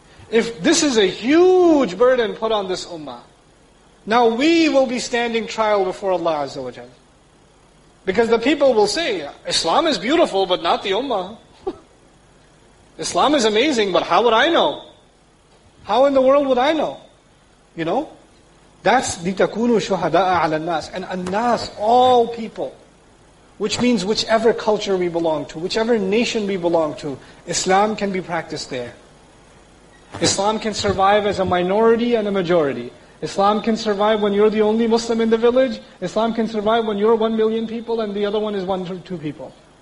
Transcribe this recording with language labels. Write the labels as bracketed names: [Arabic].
[English] If this is a huge burden put on this ummah, now we will be standing trial before Allah Azza wa Jalla. Because the people will say, Islam is beautiful, but not the ummah. Islam is amazing, but how would I know? How in the world would I know? You know? That's [Arabic] لِتَكُونُوا شُهَدَاءَ عَلَى النَّاسِ. [English] And النَّاس, all people. Which means whichever culture we belong to, whichever nation we belong to, Islam can be practiced there. Islam can survive as a minority and a majority. Islam can survive when you're the only Muslim in the village. Islam can survive when you're 1 million people and the other one is 1 or 2 people.